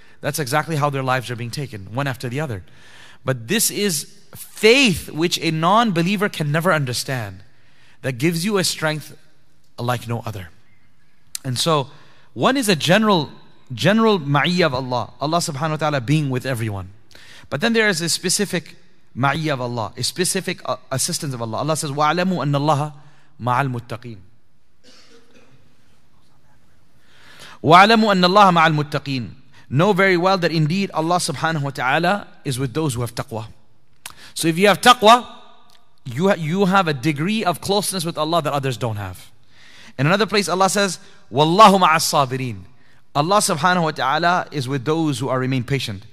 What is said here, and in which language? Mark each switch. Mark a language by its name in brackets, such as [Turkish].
[English] That's exactly how their lives are being taken, one after the other. But this is faith which a non-believer can never understand, that gives you a strength like no other. And so, one is a general ma'iyah of Allah, Allah subhanahu wa ta'ala being with everyone. But then there is a specific ma'iyah of Allah, a specific assistance of Allah. Allah says, [Arabic] وَعْلَمُوا أَنَّ اللَّهَ مَعَ الْمُتَّقِينَ وَعْلَمُوا أَنَّ اللَّهَ مَعَ الْمُتَّقِينَ. [English] Know very well that indeed Allah subhanahu wa ta'ala is with those who have taqwa. So if you have taqwa, you have a degree of closeness with Allah that others don't have. In another place Allah says, [Arabic] وَاللَّهُ مَعَ الصَّابِرِينَ. [English] Allah subhanahu wa ta'ala is with those who are remain patient.